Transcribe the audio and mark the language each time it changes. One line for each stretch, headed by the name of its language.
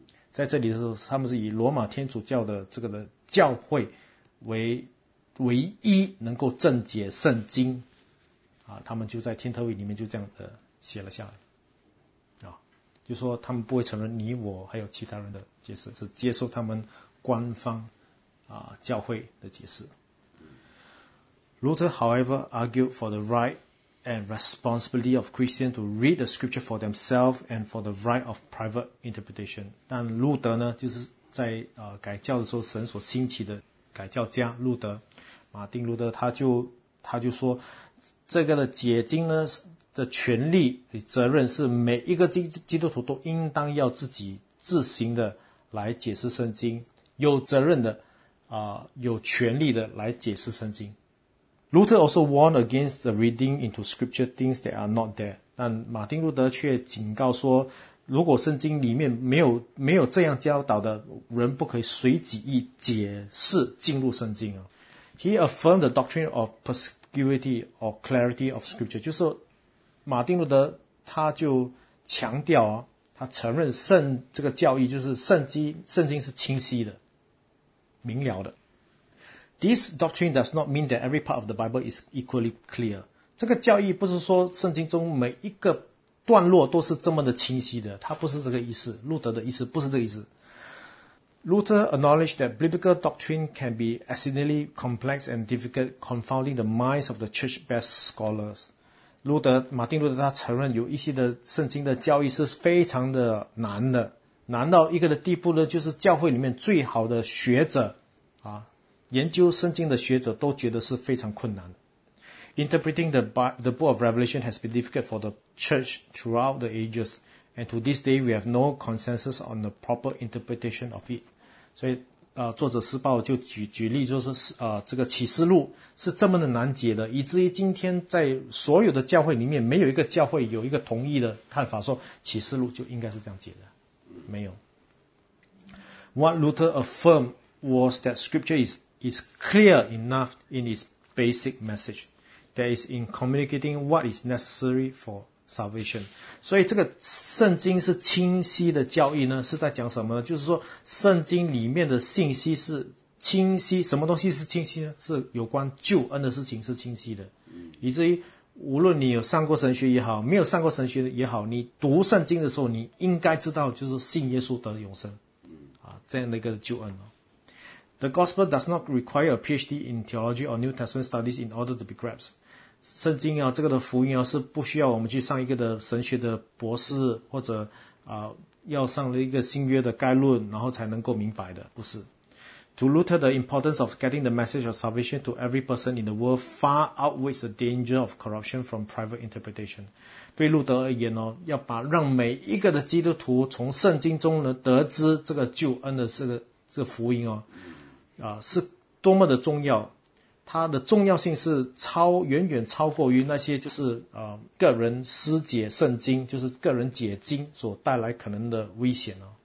Chinese: 在这里的时候，他们是以罗马天主教的这个的教会为唯一能够正解圣经啊，他们就在天特会里面就这样的写了下来啊，就说他们不会承认你我还有其他人的解释，只接受他们官方啊教会的解释。
English: Luther, however, argued for the right and responsibility of Christians to read the scripture for themselves and for the right of private interpretation.
Chinese: 但路德呢，就是在改教的时候，神所兴起的改教家路德，马丁路德，他就说，这个的解经呢的权利的责任是每一个基督徒都应当要自己自行的来解释圣经，有责任的有权利的来解释圣经。
English: Luther also warned against the reading into scripture things that are not there.
Chinese: 但马丁路德却警告说，如果圣经里面没有这样教导的，人不可以随己意解释进入圣经。
English: He affirmed the doctrine of perspicuity or clarity of scripture.
Chinese: 就是马丁路德他就强调，他承认这个教义就是圣经是清晰的、明了的。
English: This doctrine does not mean that every part of the Bible is equally clear.
Chinese: 这个教义不是说圣经中每一个段落都是这么的清晰的，它不是这个意思。路德的意思不是这个意思。
English: Luther acknowledged that biblical doctrine can be exceedingly complex and difficult, confounding the minds of the church best scholars.
Chinese: 马丁路德他承认有一些的圣经的教义是非常的难的，难到一个的地步呢，就是教会里面最好的学者啊。研究圣经的学者都觉得是非常困难的。
English: Interpreting the book of Revelation has been difficult for the church throughout the ages, and to this day we have no consensus on the proper interpretation of it.
Chinese: 所以作者施暴就举例，就是这个启示录是这么的难解的，以至于今天在所有的教会里面，没有一个教会有一个同意的看法，说启示录就应该是这样解的，没有。
English: What Luther affirmed was that scripture is clear enough in its basic message, that is in communicating what is necessary for salvation.
Chinese: 所以这个圣经是清晰的教义呢，是在讲什么呢？就是说圣经里面的信息是清晰，什么东西是清晰呢？是有关救恩的事情是清晰的，以至于无论你有上过神学也好，没有上过神学也好，你读圣经的时候，你应该知道就是信耶稣得永生，这样的一个救恩哦。
English: The gospel does not require a PhD in theology or New Testament studies in order to be grasped.
Chinese: 圣经啊，这个的福音啊，是不需要我们去上一个的神学的博士，或者要上了一个新约的概论，然后才能够明白的，不是。
English: To Luther, the importance of getting the message of salvation to every person in the world far outweighs the danger of corruption from private interpretation.
Chinese: 对路德而言呢，要把让每一个的基督徒从圣经中呢得知这个救恩的这个福音哦，是多么的重要。它的重要性是远远超过于那些就是个人私解圣经，就是个人解经所带来可能的危险哦。